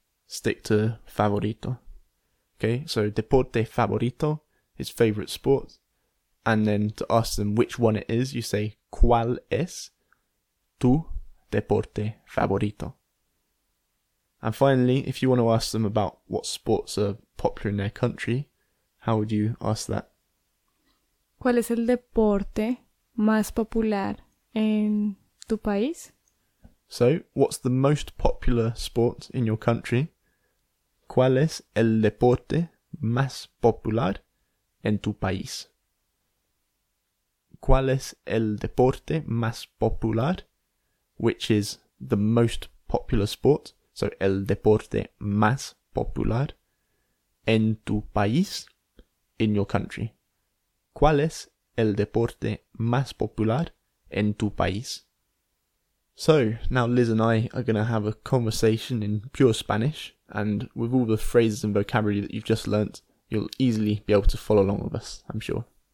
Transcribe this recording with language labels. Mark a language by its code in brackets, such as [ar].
[en] Stick to favorito. Okay, so deporte favorito is favorite sport. And then to ask them which one it is, you say, [es] ¿cuál es tu deporte favorito? [en] And finally, if you want to ask them about what sports are popular in their country, how would you ask that? [es] ¿Cuál es el deporte más popular en tu país? [en] So, what's the most popular sport in your country? [es] ¿Cuál es el deporte más popular en tu país? ¿Cuál es el deporte más popular? [en] Which is the most popular sport. [es] So, el deporte más popular en tu país, [en] in your country. [es] ¿Cuál es el deporte más popular en tu país? [en] So, now Liz and I are going to have a conversation in pure Spanish, and with all the phrases and vocabulary that you've just learnt, you'll easily be able to follow along with us, I'm sure.